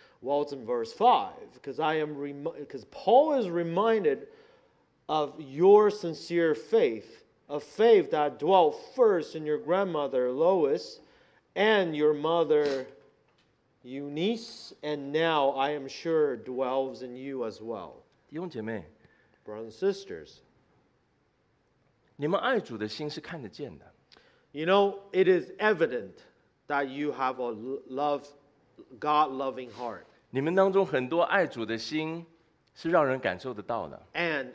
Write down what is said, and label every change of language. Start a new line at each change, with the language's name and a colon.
English: Well, it's in verse 5, because Paul is reminded of your sincere faith, a faith that dwelt first in your grandmother Lois and your mother Eunice, and now I am sure dwells in you as well.
Chinese: 弟兄姐妹,
English: brothers and sisters,
Chinese: 你们爱主的心是看得见的。
English: You know, it is evident that you have a love, God-loving heart.
Chinese: 你们当中很多爱主的心是让人感受得到的。And